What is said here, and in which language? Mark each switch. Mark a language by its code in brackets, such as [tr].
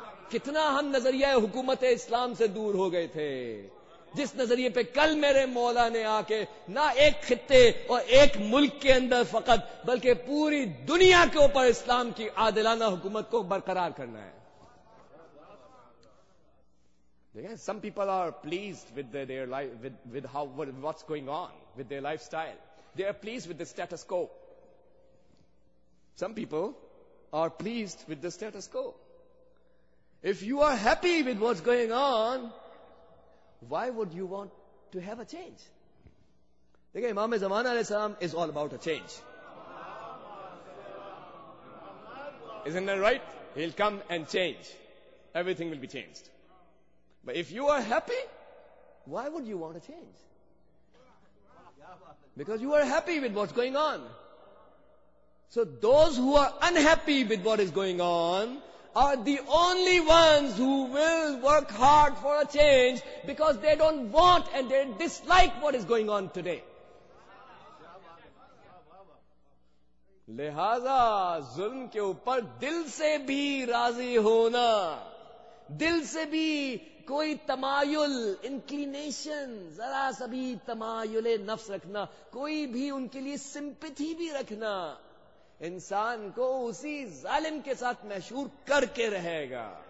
[ur] کتنا ہم نظریہ حکومت اسلام سے دور ہو گئے تھے, جس نظریے پہ کل میرے مولا نے آ کے نہ ایک خطے اور ایک ملک کے اندر فقط بلکہ پوری دنیا کے اوپر اسلام کی عادلانہ حکومت کو برقرار کرنا ہے. [en] Some people are pleased with their life, with how what's going on with their lifestyle. They are pleased with the status quo. Some people are pleased with the status quo. If you are happy with what's going on, why would you want to have a change? Dekhiye, Imam Zaman Alaihis Salam is all about a change. Isn't that right? He'll come and change. Everything will be changed. But if you are happy, why would you want to change? Because you are happy with what's going on. So those who are unhappy with what is going on are the only ones who will work hard for a change, because they don't want and they dislike what is going on today. [ur] لہذا ظلم کے اوپر دل سے بھی راضی ہونا, دل سے بھی کوئی تمایل, انکلینیشن, ذرا سا بھی تمایل نفس رکھنا, کوئی بھی ان کے لیے سمپتھی بھی رکھنا, انسان کو اسی ظالم کے ساتھ محشور کر کے رہے گا.